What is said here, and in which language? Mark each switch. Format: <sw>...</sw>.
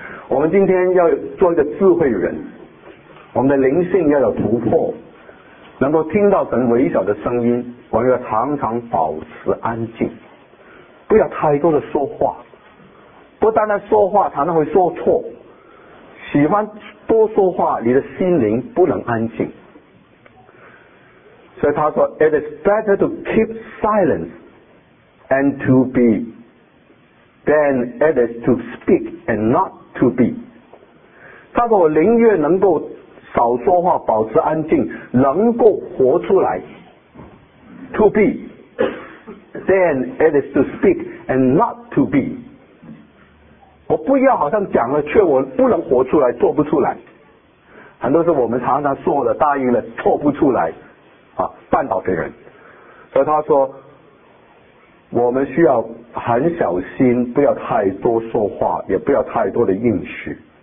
<zh>我们今天要做一个智慧人，我们的灵性要有突破，能够听到神微小的声音，我们要常常保持安静，不要太多的说话。不单单说话常常会说错，喜欢多说话你的心灵不能安静。</zh> <en>所以他说 It is better to keep silence and to be than it is to speak and notto be。</en> <zh>他说我宁愿能够少说话保持安静，能够活出来 to be than it is to speak and not to be。我不要好像讲了却我不能活出来，做不出来。很多时候我们常常说了答应了做不出来啊，绊倒别人。所以他说我们需要很小心，不要太多说话，也不要太多的应许。</zh>